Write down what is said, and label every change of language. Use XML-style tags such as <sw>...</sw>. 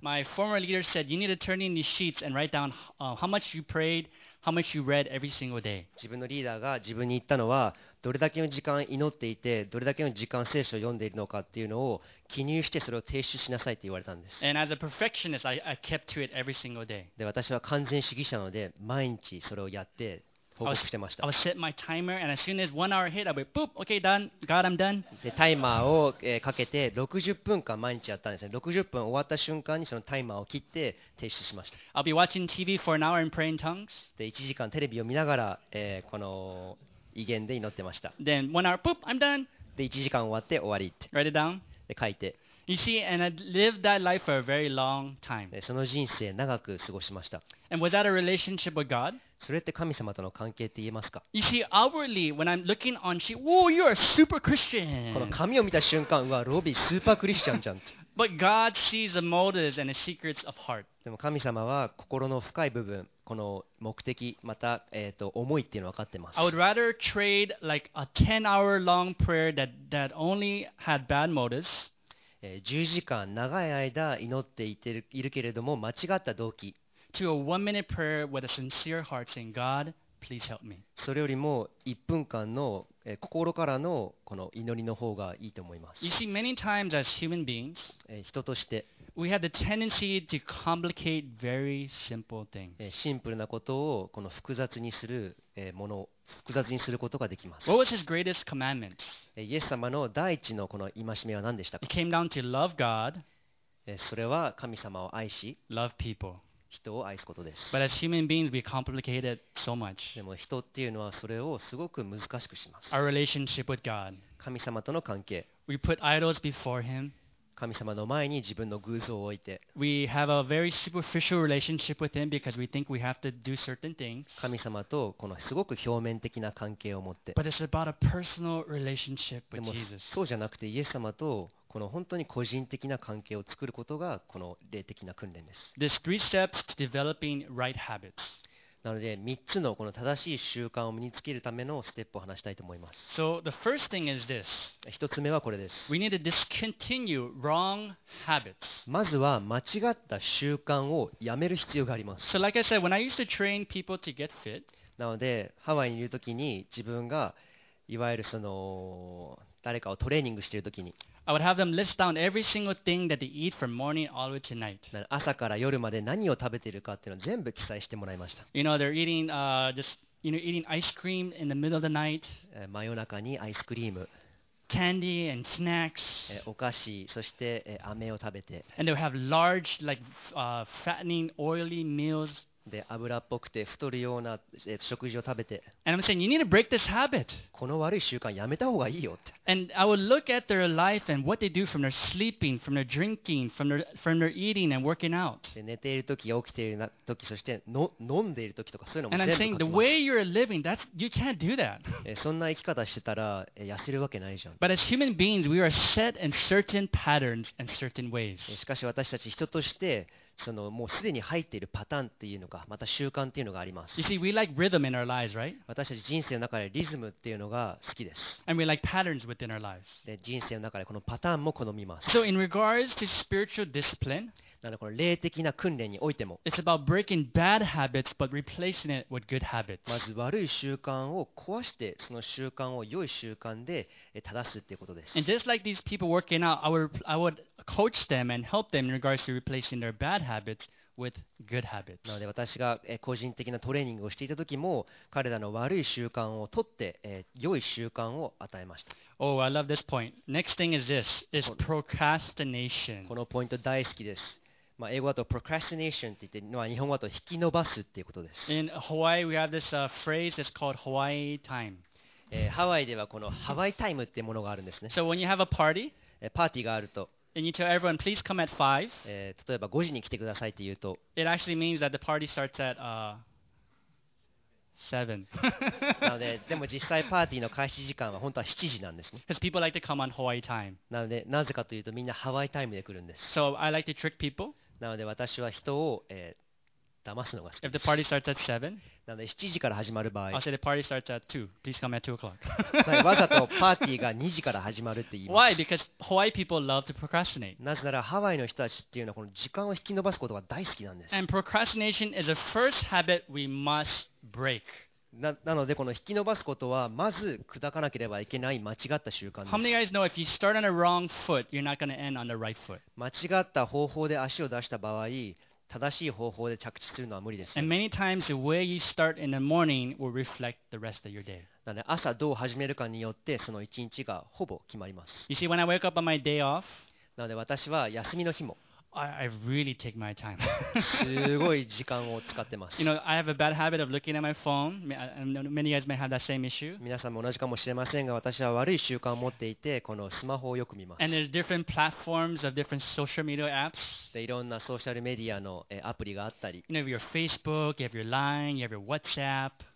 <en>My former leader said, you need to turn in these sheets and write down how much you prayed, how much you read every single day.</en> <ja>自分のリーダーが自分に言ったのは、どれだけの時間祈っていて、どれだけの時間聖書を読んでいるのかっていうのを記入してそれを提出しなさいって言われたんです。</ja> <en>And as a perfectionist, I kept to it every single day.</en> <ja>で、私は完全主義者なので、毎日それをやって報告してました。</ja> <en>I would set my timer, and as soon as 1 hour hit, I would boop, okay, done, God, I'm done.</en> <ja>で、タイマーをかけて60分間毎日やったんですね。 60分終わった瞬間にそのタイマーを切って提出しました。</ja> <en>I'll be watching TV for an hour and praying tongues.</en> <ja>で、1時間テレビを見ながら、この威厳で祈ってました。</ja> <en>Then 1 hour, boop, I'm done.</en> <ja>で1時間終わって終わり。</ja> <en>Write it down.</en> <ja>で書いて。</ja> <en>You see, and I lived that life for a very long time.</en> <ja>でその人生長く過ごしました。</ja> <en>And was that a relationship with God?</en> <ja>それって神様との関係って言えますか</ja> <en>？You see, outwardly, when I'm looking on she, oh, you are super Christian.</en> <ja>この髪を見た瞬間、うわ、ロビースーパークリスチャンじゃん。</ja> <en>But God sees the motives and the secrets of heart.</en> <ja>でも神様は心の深い部分。この目的また思いっていうのは分かってます。</ja> <en>I would rather trade like a 10-hour long prayer that only had bad motives.</en> <ja>10時間長い間祈っているけれども間違った動機。</ja> <en>To a one-minute prayer with a sincere heart saying, God, please help me.</en> <ja>それよりも1分間の心からのこの祈りの方がいいと思います。</ja> <en>You see, many times as human beings,</en> <ja>人として。</ja> <en>We have the tendency to complicate very simple things.</en> <ja>シンプルなことをこの複雑にするものを複雑にすることができます。</ja> <en>What was his greatest commandment?</en> <ja>イエス様の第一のこの戒めは何でしたか?</ja> <en>It came down to love God.</en> <ja>それは神様を愛し、</ja> <en>love people.</en> <ja>人を愛すことです。</ja> <en>But as human beings, we complicate it so much.</en> <ja>でも人っていうのはそれをすごく難しくします。</ja> <en>Our relationship with God.</en> <ja>神様との関係。</ja> <en>We put idols before Him.</en> <ja>神様の前に自分の偶像を置いて。</ja> <en>We have a very superficial relationship with him because we think we have to do certain things.</en> <ja>神様とこのすごく表面的な関係を持って。</ja> <en>But it's about a personal relationship with Jesus.</en> <ja>そうじゃなくてイエス様とこの本当に個人的な関係を作ることがこの霊的な訓練です。</ja> <en>There's three steps to developing right habits.</en> <ja>なので3つのこの正しい習慣を身につけるためのステップを話したいと思います。</ja> <en>So the first thing is this.</en> <ja>一つ目はこれです。</ja> <en>We need to discontinue wrong habits.</en> <ja>まずは間違った習慣をやめる必要があります。</ja> <en>So like I said, when I used to train people to get fit.</en> <ja>なのでハワイにいるときに自分がいわゆるその誰かをトレーニングしているときに。</ja> <en>I would have them list down every single thing that they eat from morning all the way to night.</en> <ja>朝から夜まで何を食べているかっていうのを全部記載してもらいました。</ja> <en>You know, they're eating, eating ice cream in the middle of the night.</en> <ja>真夜中にアイスクリーム。</ja> <en>Candy and snacks.</en> <ja>お菓子、そして飴を食べて。</ja> <en>And they'll have large, like, fattening, oily meals.</en> <ja>で油っぽくて太るような食事を食べて</ja> <en>And I'm saying, you need to break this habit.</en> <ja>この悪い習慣やめた方がいいよって</ja> <en>And I would look at their life and what they do from their sleeping, from their drinking, from their eating and working out.</en> <ja>で寝ている時、起きている時、そして飲んでいる時とかそういうのも全部</ja> <en>And I'm saying, the way you're living, you can't do that.</en> <ja>そんな生き方してたら痩せるわけないじゃん</ja> <en>But as human beings, we are set in certain patterns and certain ways.</en> <ja>しかし私たち人としてそのもうすでに入っているパターンっていうのかまた習慣っていうのがあります</ja> <en>You see, we like rhythm in our lives, right?</en> <ja>私たち人生の中でリズムっていうのが好きです</ja> <en>And we like patterns within our lives.</en> <ja>で人生の中でこのパターンも好みます</ja> <en>So in regards to spiritual discipline</en> <ja>なのでこの霊的な訓練においても</ja> <en>It's about breaking bad habits but replacing it with good habits</en> <ja>まず悪い習慣を壊してその習慣を良い習慣で正すっていうことです</ja> <en>And just like these people working out, I would coach them and help them in regards to replacing their bad habits with good habits.</en> <ja>なので私が個人的なトレーニングをしていた時も彼らの悪い習慣を取って良い習慣を与えました。</ja> <en>Oh, I love this point. Next thing is this, is procrastination.</en> <ja>このポイント大好きです。まあ、英語だと procrastination って言って、まあ、日本語だと引き延ばすっていうことです。</ja> <en>In Hawaii, we have this phrase that's called Hawaii time.</en> <ja>ハワイではこのハワイタイムっていうものがあるんですね。</ja> <en>So when you have a party,</en> <ja>パーティーがあると、</ja> <en>and you tell everyone, please come at five,</en> <ja>例えば5時に来てくださいって言うと、</ja> <en>it actually means that the party starts at, seven.</en> <ja>なので、でも実際パーティーの開始時間は本当は7時なんですね。</ja> <en>Because people like to come on Hawaii time.</en> <ja>なので、なぜかというとみんなハワイタイムで来るんです。</ja> <en>So I like to trick people.</en> <ja>なので私は人を、騙すのが好きです。</ja> <en>If the party starts at seven,</en> <ja>なので7時から始まる場合、</ja> <en>I'll say the party starts at two. Please come at 2 o'clock.</en> <ja>わざとパーティーが2時から始まるって言います。</ja> <en>Why? Because Hawaii people love to procrastinate.</en> <ja>なぜならハワイの人たちっていうのはこの時間を引き延ばすことが大好きなんです。</ja> <en>And procrastination is the first habit we must break.</en> <ja>なのでこの引き延ばすことはまず砕かなければいけない間違った習慣です。</ja> <en>How many guys know if you start on a wrong foot, you're not going to end on the right foot?</en> <ja>間違った方法で足を出した場合、正しい方法で着地するのは無理です。</ja> <en>And many times the way you start in the morning will reflect the rest of your day.</en> <ja>なので朝どう始めるかによってその一日がほぼ決まります。</ja> <en>You see, when I wake up on my day off,</en> <ja>なので私は休みの日も、</ja> <en>I really take my time.</en> <ja>すごい時間を使ってます。</ja> <en>You know, I have a bad habit of looking at my phone. Many guys may have that same issue.</en> <ja>皆さんも同じかもしれませんが、私は悪い習慣を持っていて、このスマホをよく見ます。</ja> <en>And there's different platforms of different social media apps.</en> <ja>で、いろんなソーシャルメディアのアプリがあったり。</ja> <en>You know, you have your Facebook, you have your Line, you have your WhatsApp.</en>